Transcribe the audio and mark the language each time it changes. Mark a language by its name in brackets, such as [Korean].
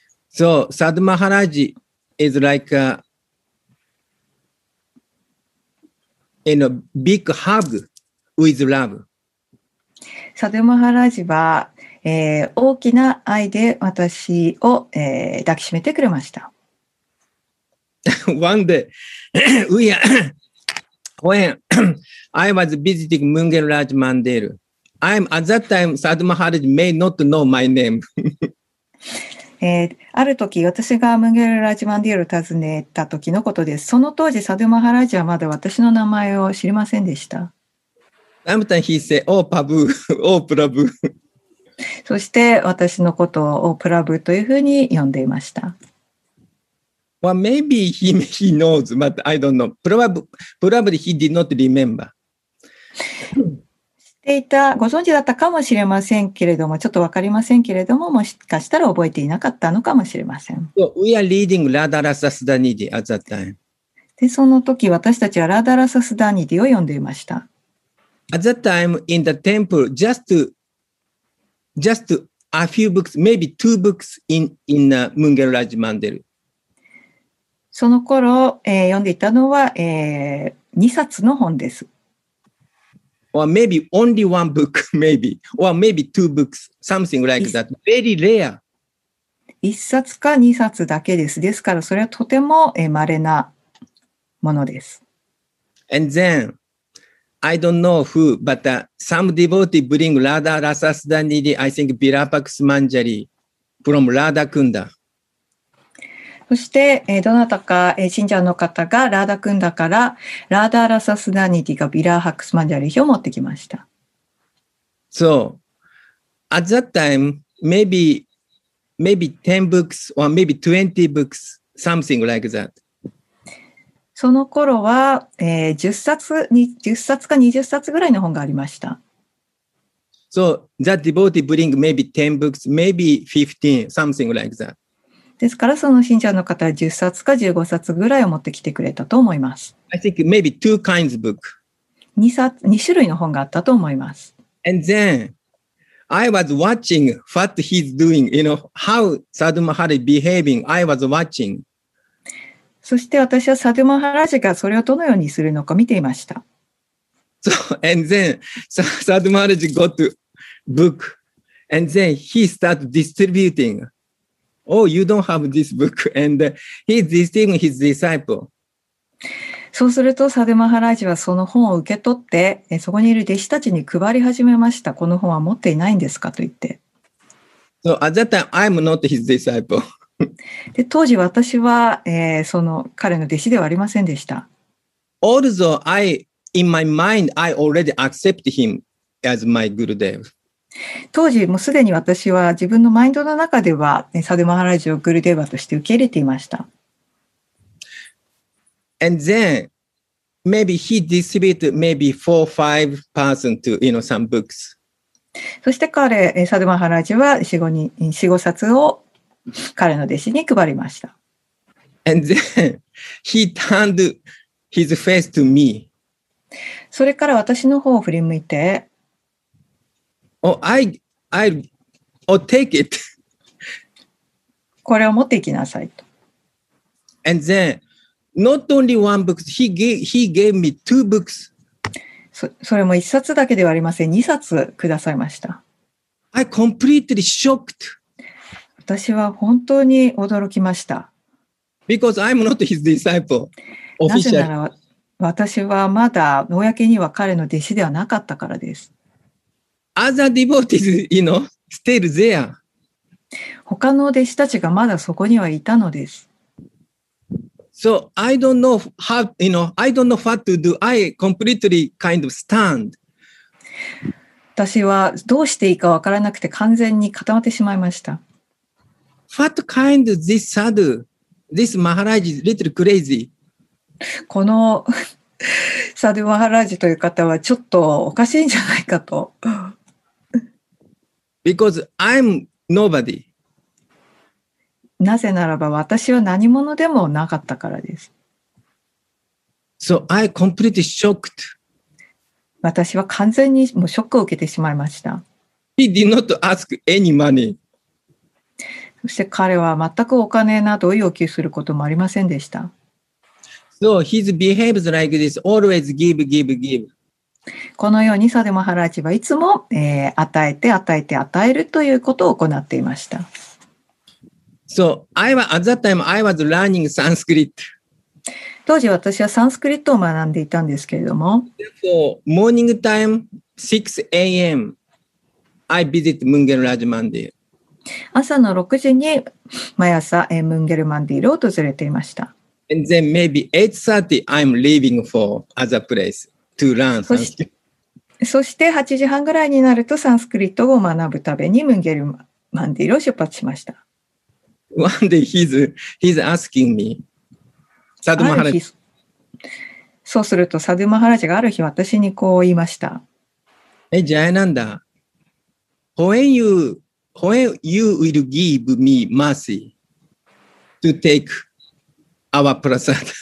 [English] So, Sadhu Maharaj is like aIn a big hug with love. [Japanese] サドゥ・マハラジは、大きな愛で私を、抱きしめてくれました。 [English] One day, when I was visiting Munger Raj Mandir, at that time, サドゥ・マハラジ may not know my name. [Japanese] ある時私がムンゲルラジマンディエルを訪ねた時のことです。その当時サドゥマハラジはまだ私の名前を知りませんでした。そして私のことをオープラブというふうに呼んでいました。 [English] Well, maybe he knows, but I don't know. Probably he did not remember. [Japanese] 知っていた、ご存知だったかもしれませんけれども、ちょっと分かりませんけれども、もしかしたら覚えていなかったのかもしれません。 [English] So、we are reading Radharasa Sudhanidhi at that time. [Japanese] で、その時私たちはRadharasa Sudhanidhiを読んでいました。 [English] At that time in the temple, just a few books, maybe two books in Munger Raj Mandir. [Japanese] その頃、読んでいたのは、2冊の本です。 [English] Or maybe only one book, maybe. Or maybe two books, something like that. Very rare. [Japanese] 一冊か二冊だけです。ですから、それはとても稀なものです。 [English] And then, I don't know who, but some devotee bring Radha Rasa Sudhanidhi, I think Virapaksha Manjari, from Radha Kunda. [Japanese] そして、どなたか、信者の方がラーダクンダからラーダーラサスダニティがビラーハックスマジャリヒを持ってきました。 [English] So, at that time, maybe 10 books or maybe 20 books, something like that. [Japanese] その頃は、10冊か20冊ぐらいの本がありました。 [English] So, that devotee bring maybe 10 books, maybe 15, something like that. [Japanese] ですからその信者の方は10冊か15冊ぐらいを持ってきてくれたと思います。 [English] I think maybe two kinds of book. [Japanese] 2種類の本があったと思います。 [English] And then I was watching what he's doing, you know, how Sadhu Maharaj behaving. I was watching. [Japanese] そして私はサドゥ・マハラジがそれをどのようにするのか見ていました。 [English] So, and then Sadhu Maharaj got book and then he started distributing. Oh, you don't have this book. And he's visiting his disciple. [Japanese] そうすると、サデマハラージはその本を受け取って、そこにいる弟子たちに配り始めました。この本は持っていないんですかと言って。 [English] So at that time, I'm not his disciple. [Japanese] で当時私は、その彼の弟子ではありませんでした。 [English] Although I, in my mind, I already accept him as my Gurudev. [Japanese] 当時もすでに私は自分のマインドの中では、ね、サデマハラジをグルデーバとして受け入れていました。 [English] And then maybe he distributed maybe 4-5 person to you know some books. [Japanese] そして彼サデマハラジは4-5冊を彼の弟子に配りました。 [English] And then he turned his face to me. [Japanese] それから私の方を振り向いて。 [English] Oh, I'll take it. [Japanese] これを持っていきなさいと。 [English] And then, not only one book, he gave me two books. [Japanese] それも一冊だけではありません。二冊くださいました。 [English] I completely shocked. [Japanese] 私は本当に驚きました。 [English] Because I'm not his disciple, officially. [Japanese] なぜなら私はまだ公には彼の弟子ではなかったからです。 [English] Other devotees, you know, still there. [Japanese] 他の弟子たちがまだそこにはいたのです。 [English] So I don't know how, you know, I don't know what to do. I completely kind of stand. [Japanese] 私はどうしていいかわからなくて完全に固まってしまいました。 [English] What kind of this sadhu, this Maharaj is little crazy. [Japanese] このサドゥ・マハラージという方はちょっとおかしいんじゃないかと。 [English] Because I'm nobody. [Japanese] なぜならば私は何者でもなかったからです。 [English] So I completely shocked. [Japanese] 私は完全にもうショックを受けてしまいました。 [English] He did not ask any money. [Japanese] そして彼は全くお金などを要求することもありませんでした。 [English] So he behaves like this, always give, give, give. [Japanese] このようにサデマハラージはいつも、与えて与えて与えるということを行っていました。 [English] So, I was, at that time, I was learning Sanskrit. [Japanese] 当時私はサンスクリットを学んでいたんですけれども。 [English] So, morning time, 6 a.m., I visit Mungel Rajamandir. [Japanese] 朝の6時に毎朝、Mungel Mandir を訪れていました。 [English] And then maybe 8:30, I'm leaving for other place. To learn [Japanese] そして8時半ぐらいになるとサンスクリットを学ぶためにムンゲルマンディルを出発しました。 [English] One day he's asking me, サドマハラジ。 [Japanese] そうするとサドマハラジがある日私にこう言いました。 [English] Hey, Jayananda, when you will give me mercy to take our prasad?